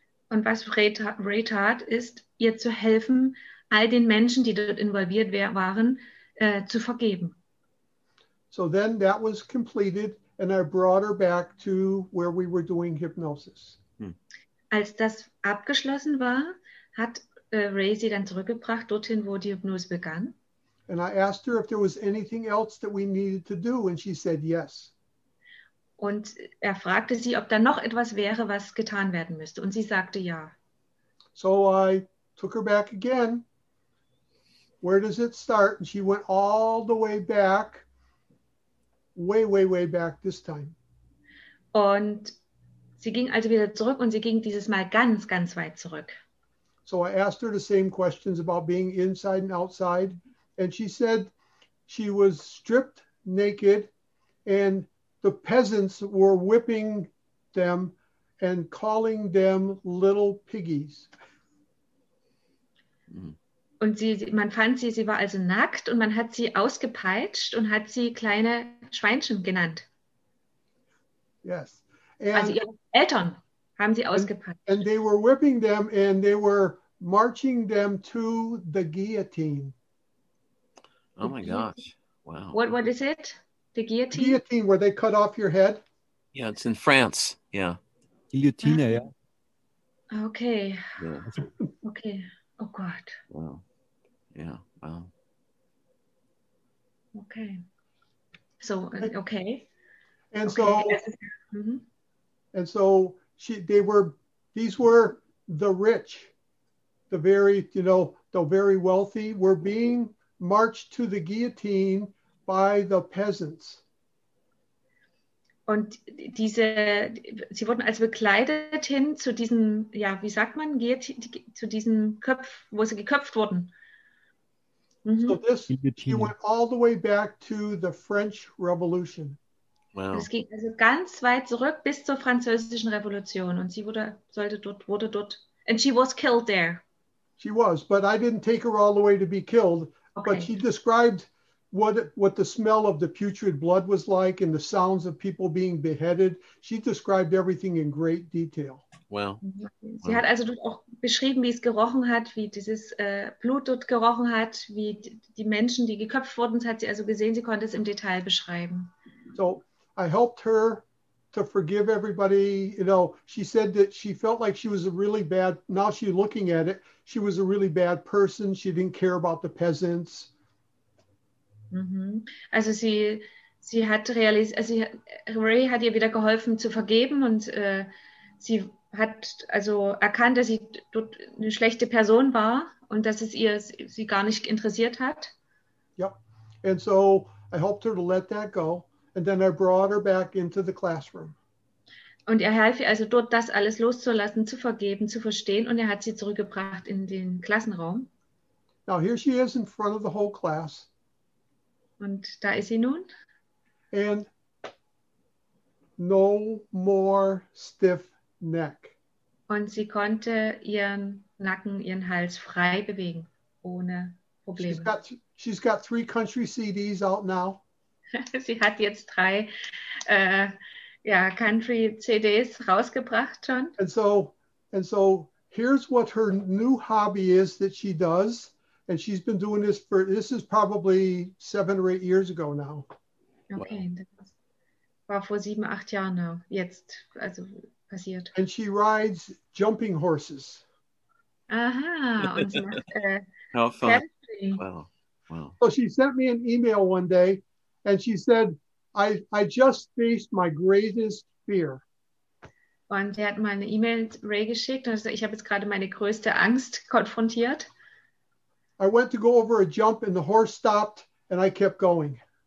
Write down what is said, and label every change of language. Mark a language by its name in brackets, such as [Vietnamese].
[German] Und was Ray tat, ist ihr zu helfen, all den Menschen, die dort involviert waren, zu vergeben. [English] So then that was completed. And I brought her back to where we were doing hypnosis. [German] Als das abgeschlossen war, hat Ray sie dann zurückgebracht dorthin, wo die Hypnose begann. [English] And I asked her if there was anything else that we needed to do, and she said yes. [German] Und fragte sie, ob da noch etwas wäre, was getan werden müsste, und sie sagte ja. [English] So I took her back again. Where does it start? And she went all the way back. Way, way, way back this time. [German] Und sie ging also wieder zurück und sie ging dieses Mal ganz, ganz weit zurück. [English] So I asked her the same questions about being inside and outside. And she said she was stripped naked and the peasants were whipping them and calling them little piggies. [German] Und sie war also nackt und man hat sie ausgepeitscht und hat sie kleine Schweinchen genannt. [English] Yes. [German] And, also ihre Eltern haben sie ausgepeitscht. [English] And they were whipping them and they were marching them to the guillotine. Oh my gosh. Wow. What is it? The guillotine? Guillotine, where they cut off your head. Yeah, it's in France. Yeah. Guillotine, yeah. Okay. Yeah. Okay. Oh God. Wow. Yeah. Wow. Okay. So, okay. And okay. So, mm-hmm. And so these were the rich, the very, you know, the very wealthy were being marched to the guillotine by the peasants. [German] Und diese, sie wurden also begleitet hin zu diesen, ja, wie sagt man, zu diesen Köpfen, wo sie geköpft wurden. Mhm. [English] So this, you went all the way back to the French Revolution. Wow. [German] Es ging also ganz weit zurück bis zur Französischen Revolution und sie wurde dort, [English] and she was killed there. She was, but I didn't take her all the way to be killed, okay. But she described what the smell of the putrid blood was like and the sounds of people being beheaded. She described everything in great detail. Well, [German] sie hat also auch beschrieben, wie es gerochen hat, wie dieses Blut dort gerochen hat, wie die Menschen, die geköpft wurden, das hat sie also gesehen, sie konnte es im Detail beschreiben. [English] So, I helped her to forgive everybody, you know, she said that she felt like she was a really bad, now she's looking at it, she was a really bad person, she didn't care about the peasants. [German] Also sie hat realisiert, also Ray hat ihr wieder geholfen zu vergeben und sie hat also erkannt, dass sie dort eine schlechte Person war und dass es ihr sie gar nicht interessiert hat. Ja, yep. [English] And so I helped her to let that go. And then I brought her back into the classroom. [German] Und er half ihr also dort, das alles loszulassen, zu vergeben, zu verstehen, und er hat sie zurückgebracht in den Klassenraum. [English] Now here she is in front of the whole class. [German] Und da ist sie nun. [English] And no more stiff neck. [German] Und sie konnte ihren Nacken, ihren Hals frei bewegen, ohne Probleme. [English] She's got three country CDs out now. [German] Sie hat jetzt drei Country-CDs rausgebracht schon. [English] And so here's what her new hobby is that she does. And she's been doing this for, this is probably 7 or 8 years ago now. [German] Okay, das war vor 7, 8 Jahren now, jetzt, also passiert. [English] And she rides jumping horses. [German] Aha, und sie [English] macht How fun. Wow. So she sent me an email one day. And she said, I just faced my greatest fear. [German] Und sie hat meine E-Mail Ray geschickt und ich habe jetzt gerade meine größte Angst konfrontiert. [English] I went to go over a jump and the horse stopped and I kept going.